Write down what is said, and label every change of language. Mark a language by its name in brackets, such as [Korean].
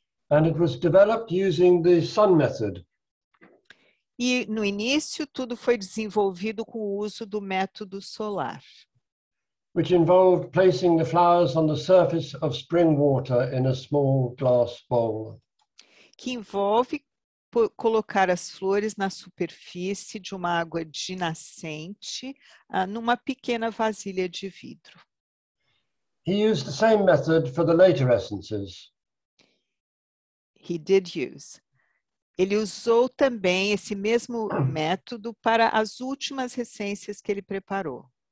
[English] And it was developed using the sun method. [Portuguese] E no início tudo foi desenvolvido com o uso do método solar. [English] Which involved placing the flowers on the surface of spring water in a small glass bowl. [Portuguese] Que envolve colocar as flores na superfície de uma água de nascente, numa pequena vasilha de vidro. [English] He used the same method for the later essences. He did use. [Portuguese] Ele usou também esse mesmo método para as últimas essências que ele preparou.